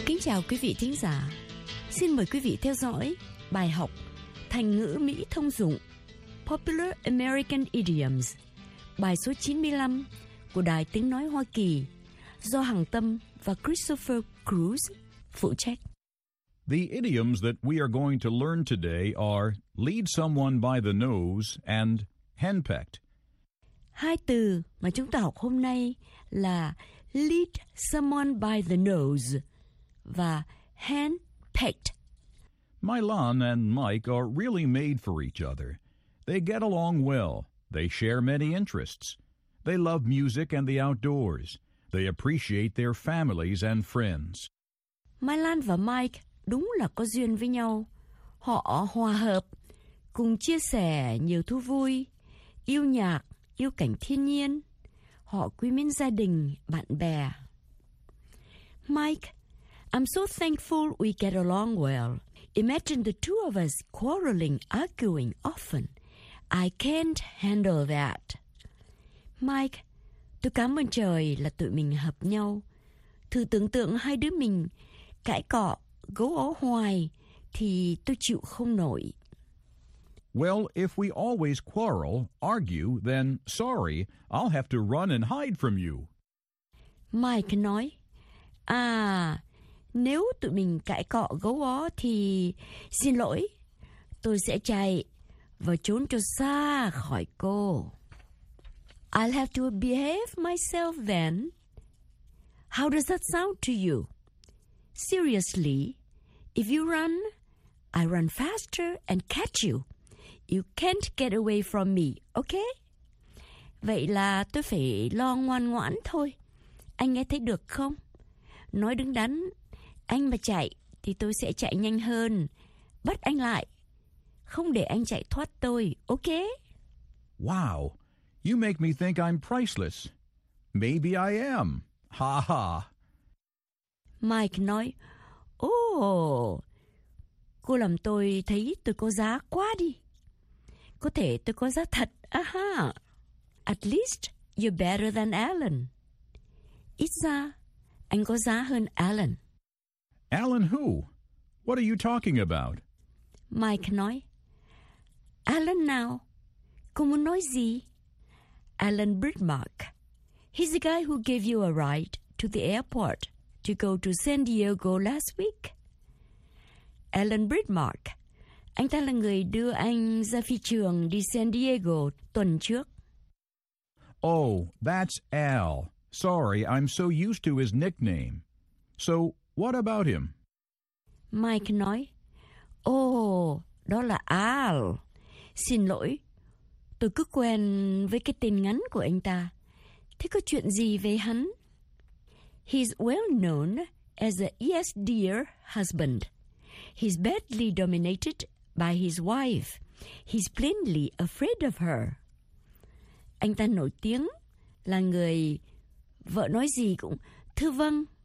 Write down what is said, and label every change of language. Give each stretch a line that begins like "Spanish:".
Vietnamese: Chào quý vị thính giả, xin mời quý vị theo dõi bài học Thành ngữ Mỹ thông dụng
English: Popular American Idioms,
Vietnamese: bài số 95 của Đài Tiếng Nói Hoa Kỳ, do Hằng Tâm và Christopher Cruz phụ trách.
English: The idioms that we are going to learn today are lead someone by the nose and henpecked.
Vietnamese: Hai từ mà chúng ta học hôm nay là
English: lead someone by the nose
Vietnamese: và henpecked.
English: Mylon and Mike are really made for each other. They get along well. They share many interests. They love music and the outdoors. They appreciate their families and friends.
Vietnamese: Mylon và Mike đúng là có duyên với nhau. Họ hòa hợp, cùng chia sẻ nhiều thú vui, yêu nhạc, yêu cảnh thiên nhiên. Họ quý mến gia đình, bạn bè.
English: Mike, I'm so thankful we get along well. Imagine the two of us quarreling, arguing often. I can't handle that.
Vietnamese: Mike, tôi cảm ơn trời là tụi mình hợp nhau. Thử tưởng tượng hai đứa mình cãi cọ, gấu ố hoài, thì tôi chịu không nổi.
English: Well, if we always quarrel, argue, then sorry, I'll have to run and hide from you.
Vietnamese: Mike nói, à, nếu tụi mình cãi cọ gấu ó thì xin lỗi, tôi sẽ chạy và trốn cho xa khỏi cô.
English: I'll have to behave myself then. How does that sound to you? Seriously, if you run, I run faster and catch you. You can't get away from me, okay?
Vietnamese: Vậy là tôi phải lo ngoan ngoãn thôi. Anh nghe thấy được không? Nói đứng đắn, anh mà chạy thì tôi sẽ chạy nhanh hơn, bắt anh lại, không để anh chạy thoát tôi, okay?
English: Wow, you make me think I'm priceless. Maybe I am, ha ha.
Vietnamese: Mike nói, oh, cô làm tôi thấy tôi có giá quá đi. Có thể tôi có giá thật, aha.
English: At least you're better than Alan.
Vietnamese: Ít ra, anh có giá hơn Alan.
English: Alan who? What are you talking about?
Vietnamese: Mike nói, Alan now. Cô muốn nói gì? Alan Britmark.
English: He's the guy who gave you a ride to the airport to go to San Diego last week. Alan Britmark.
Vietnamese: Anh ta là người đưa anh ra phi trường đi San Diego tuần trước.
English: Oh, that's Al. Sorry, I'm so used to his nickname. So, what about him?
Vietnamese: Mike nói, oh, đó là Al. Xin lỗi, tôi cứ quen với cái tên ngắn của anh ta. Thế có chuyện gì về hắn?
English: He's well known as a yes dear husband. He's badly dominated by his wife. He's plainly afraid of her.
Vietnamese: Anh ta nổi tiếng là người vợ nói gì cũng thưa vâng.